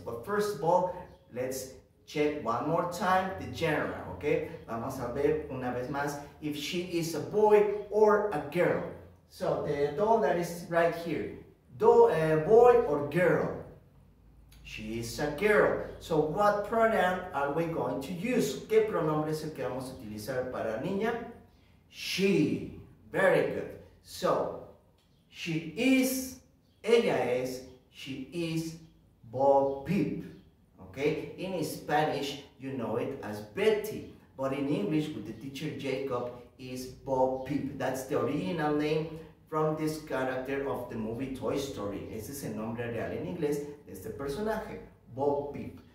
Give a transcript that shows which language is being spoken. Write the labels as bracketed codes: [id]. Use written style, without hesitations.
[en] But first of all, let's check one more time the genera, okay? [es] Vamos a ver una vez más [en] if she is a boy or a girl. So, the doll that is right here, boy or girl? She is a girl. So, what pronoun are we going to use? [es] ¿Qué pronombre es el que vamos a utilizar para niña? [en] She. Very good. So, she is, [es] ella es, [en] she is Bo Peep. Okay? In Spanish, you know it as Betty. But in English, with the teacher Jacob, is Bo Peep. That's the original name from this character of the movie Toy Story. [es] Ese es el nombre real en inglés de este personaje, Bo Peep.